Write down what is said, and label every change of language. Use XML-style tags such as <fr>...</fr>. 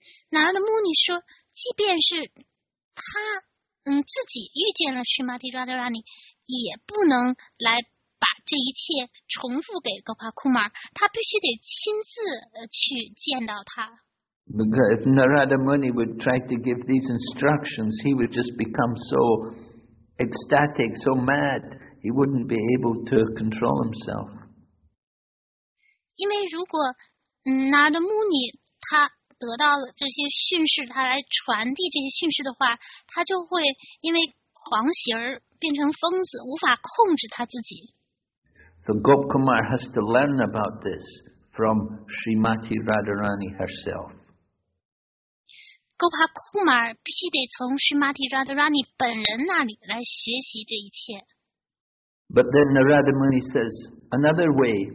<zh>Narada Muni 说，即便是他自己遇见了 Srimati Radharani， 也不能来把这一切重复给 Gop Kumar， 他必须得亲自去见到他。</zh> <en>Because if Narada Muni would try to give these instructions, he would just become so ecstatic, so mad, he wouldn't be able to control himself.</en> <zh>因为如果 Narada Muni 他得到了这些讯息，他来传递这些讯息的话，他就会因为狂喜而变成疯子，无法控制他自己。</zh> <en>So Gop Kumar has to learn about this from Srimati Radharani herself.</en> <zh>戈帕库玛必须得从 Srimati Radharani 本人那里来学习这一切。</zh> <en>But then Narada Muni says another way.</en>